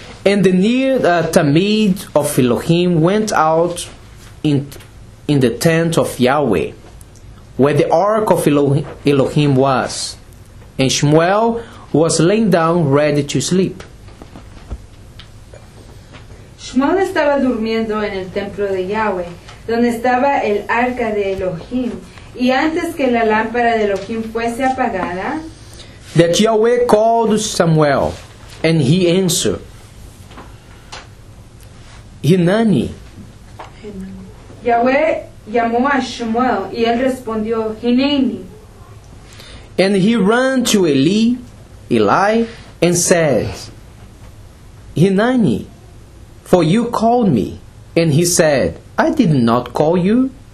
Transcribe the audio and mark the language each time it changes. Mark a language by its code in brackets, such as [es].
[en] And the near Tamid of Elohim went out in the tent of Yahweh, where the ark of Elohim was. And Shmuel was laying down ready to sleep. [es] Shmuel estaba durmiendo en el templo de Yahweh, donde estaba el arca de Elohim. Y antes que la lámpara de Elohim fuese apagada, [en] that Yahweh called Samuel, and he answered, Hinani. [es] Yahweh llamó a Shmuel, y él respondió, Hinani. [en] And he ran to Eli, and said, Hinani, for you called me. And he said, I did not call you.